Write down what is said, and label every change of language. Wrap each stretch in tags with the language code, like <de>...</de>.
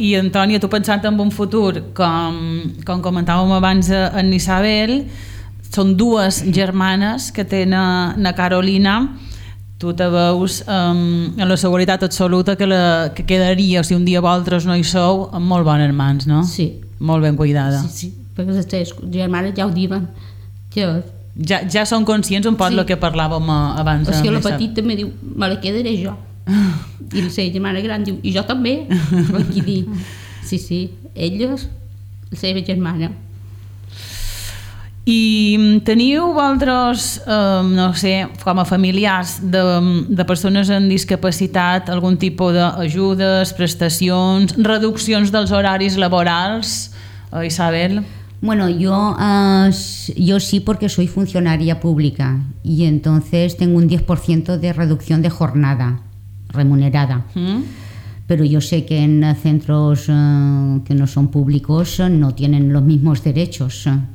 <ca>I Antònia, tu pensant en un futur, com comentàvem abans en Isabel, són dues germanes que té na Carolina, tu te veus amb la seguretat absoluta que quedaria, o sigui, un dia vosaltres no hi sou, amb molt bones mans, no? Sí. Molt ben cuidada. Sí, perquè les teves germanes ja ho diuen. Ja són conscients un poc del que parlàvem abans. O sigui, la petita me diu, me la quedaré jo. I la seva germana gran diu, i jo també. Aquí diu, sí, elles, la seva germana. I teniu altres, no sé, com a familiars de persones amb discapacitat, algun tipus d'ajudes, prestacions, reduccions dels horaris laborals, Isabel?</ca> <es>Bueno, yo sí, porque soy funcionaria pública y entonces tengo un 10% de reducción de jornada remunerada. Pero yo sé que en centros que no son públicos no tienen los mismos derechos.</es>